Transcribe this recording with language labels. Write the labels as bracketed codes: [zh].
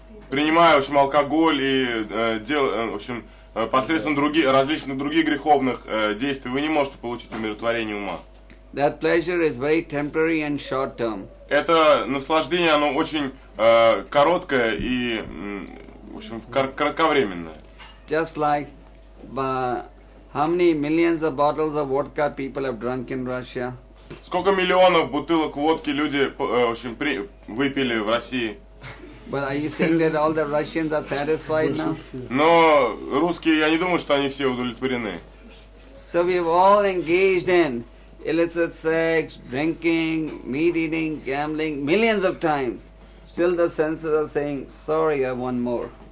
[ru] Принимая, в общем, алкоголь и в общем, посредством различных других греховных действий, вы не можете получить умиротворение ума. [en] That pleasure is very temporary and short term. [ru] Это наслаждение, оно очень короткое и, в общем, кратковременное. [en] Just like how many millions of bottles of vodka people have drunk in Russia? [ru] Сколько миллионов бутылок водки люди, в общем, выпили в России? [en] But are you saying that all the Russians are satisfied now? [ru] Но русские, я не думаю, что они все удовлетворены. [en] So we've all engaged in illicit sex, drinking, meat eating, gambling millions of times. Still the senses are saying, "Sorry, I want more."